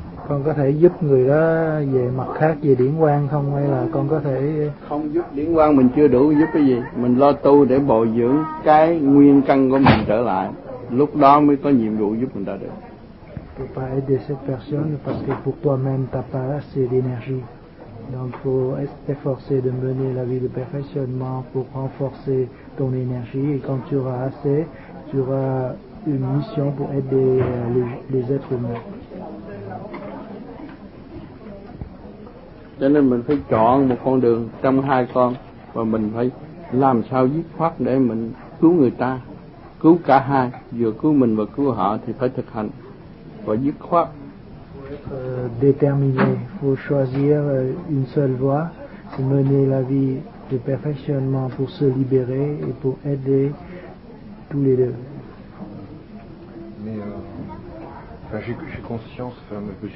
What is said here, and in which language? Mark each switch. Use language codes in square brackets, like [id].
[vi] Con có thể giúp người đó về mặt khác, về điển quang không, hay là con có thể không giúp điển quang? Mình chưa đủ giúp cái gì, mình lo tu để bồi dưỡng cái nguyên căn của mình trở lại, lúc đó mới có nhiệm vụ giúp người ta được. [fr] Tu peux pas aider cette personne parce que pour toi-même t'as pas assez d'énergie, donc faut t'efforcer de mener la vie de perfectionnement pour renforcer ton énergie, et quand tu auras assez, tu auras une mission pour aider les êtres humains. [vi] Cho nên mình phải chọn một con đường trong hai con, và mình phải làm sao dứt khoát để mình cứu người ta, cứu cả hai, vừa cứu mình và cứu họ, thì phải thực hành và dứt khoát. [fr] Déterminé, faut choisir une seule voie, c'est mener la vie de perfectionnement pour se libérer et pour aider tous les deux. Mais j'ai conscience, M.